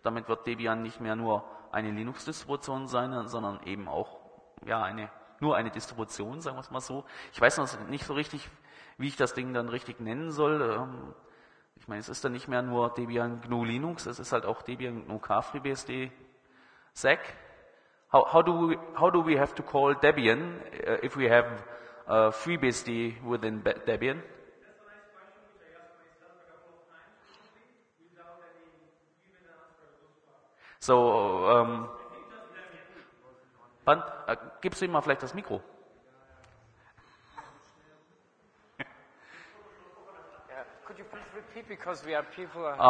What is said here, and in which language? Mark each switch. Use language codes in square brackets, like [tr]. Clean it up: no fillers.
[de] Damit wird Debian nicht mehr nur eine Linux-Distribution sein, sondern eben auch eine Distribution, sagen wir es mal so. Ich weiß noch nicht so richtig, wie ich das Ding dann richtig nennen soll. Ich meine, es ist dann nicht mehr nur Debian GNU Linux, es ist halt auch Debian GNU KFreeBSD Sec. [en] How do we have to call Debian if we have FreeBSD within Debian? [de] So, gibst du ihm mal vielleicht das Mikro? [en] Could you please repeat, because we are people